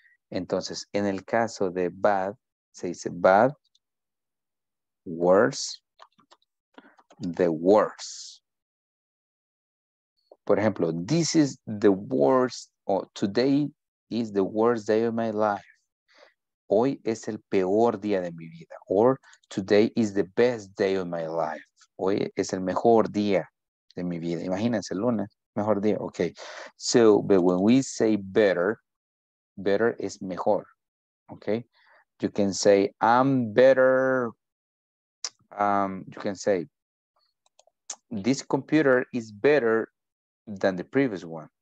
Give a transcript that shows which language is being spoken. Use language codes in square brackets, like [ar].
[es] Entonces, en el caso de bad, se dice bad, worse, the worst. Por ejemplo, [en] this is the worst, or today is the worst day of my life. [es] Hoy es el peor día de mi vida. [en] Or today is the best day of my life. [es] Hoy es el mejor día de mi vida. Imagínense, lunes, mejor día. Okay. [en] So, but when we say better, better is mejor. Okay. You can say, I'm better. You can say, this computer is better than the previous one.